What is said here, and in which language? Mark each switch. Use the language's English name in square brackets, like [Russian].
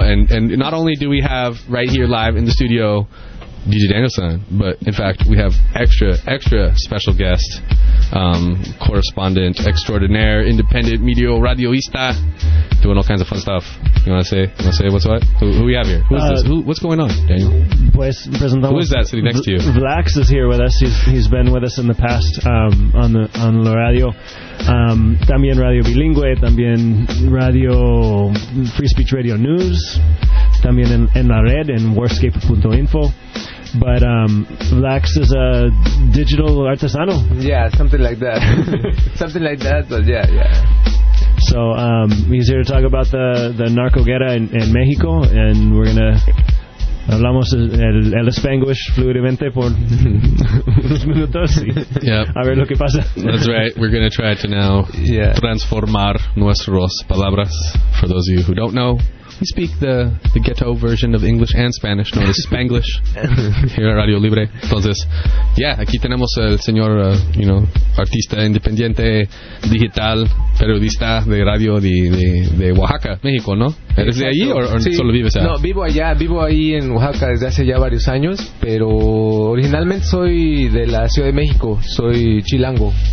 [English] And not only do we have right here live in the studio DJ Danielson, but in fact we have extra special guest, correspondent extraordinaire, independent medio radioista, doing all kinds of fun stuff. You want to say what's what? Who we have here? Who is this? What's going on, Daniel? [Spanish] Pues, [English] who is that sitting next to you? Vlax is here with us. He's been with us in the past on la radio. [Spanish] También Radio Bilingüe, también Radio Free Speech Radio News, también en la red, en warscape.info. [English] But Vlax is a digital artesano. Yeah, something like that. Something like that, but yeah. So he's here to talk about the narco guerra in Mexico, and we're going to... [Spanish] Hablamos el Spanglish fluidamente por unos minutos. [English] Yeah. [Spanish] A ver lo que pasa. [English] That's right. We're going to try to now transformar nuestras palabras. For those of you who don't know, we speak the ghetto version of English and Spanish, known as Spanglish, here at Radio Libre. [Spanish] Entonces, aquí tenemos el señor, artista independiente, digital, periodista de radio de Oaxaca, México, ¿no? ¿Eres de allí o sí, solo vives allá? No, vivo ahí en Oaxaca desde hace ya varios años, pero originalmente soy de la Ciudad de México, soy chilango.